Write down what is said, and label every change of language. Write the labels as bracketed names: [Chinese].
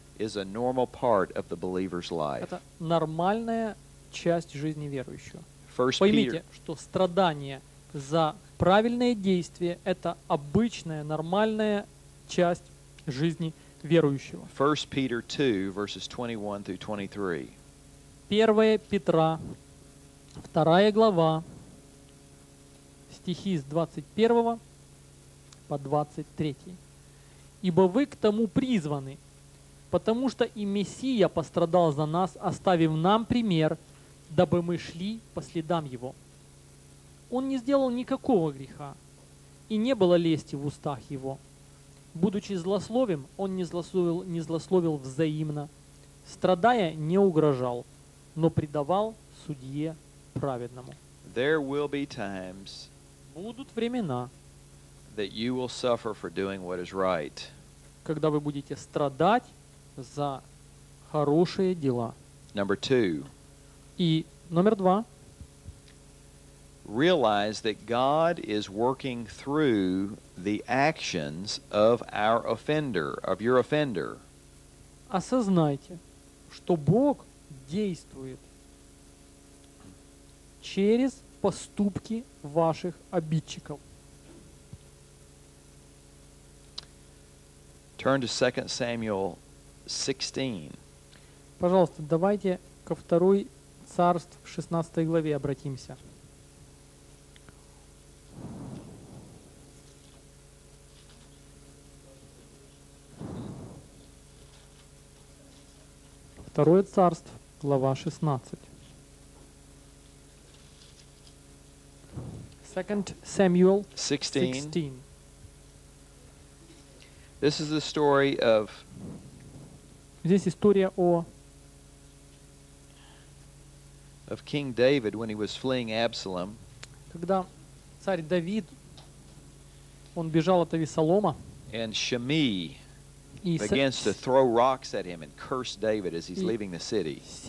[English] is a normal part of the believer's life. [Russian] Это нормальная часть жизни верующего. [English] First [Russian] Поймите, [English] Peter, [Russian] что страдание за правильные действия – это обычная, нормальная часть жизни верующего. [English] 1 Peter 2, verses 21 through 23. [Russian] 1 Петра, 2 глава, стихи с 21 по 23. «Ибо вы к тому призваны, потому что и Мессия пострадал за нас, оставив нам пример, дабы мы шли по следам Его». Он не сделал никакого греха, и не было лести в устах его. Будучи злословим, он не злословил взаимно. Страдая, не угрожал, но предавал судье праведному. [English] There will be times, [Russian] будут времена, [English] that you will suffer for doing what is right. [Russian] Когда вы будете страдать за хорошие дела. [English] Number two. [Russian] И номер два. [English] Realize that God is working through the actions of our offender, of your offender. [Russian] Осознайте, что Бог действует через поступки ваших обидчиков. [English] Turn to 2 Samuel 16. [Russian] Пожалуйста, давайте ко второй царств 16 главе обратимся. Второе царство, глава 16. [English] Second Samuel 16. This is the story of... [Russian] Здесь история о... [English] of King David when he was fleeing Absalom. [Russian] Когда царь Давид, он бежал от Авессалома. [English] And Shimei begins to throw rocks at him and curse David as he's leaving the city.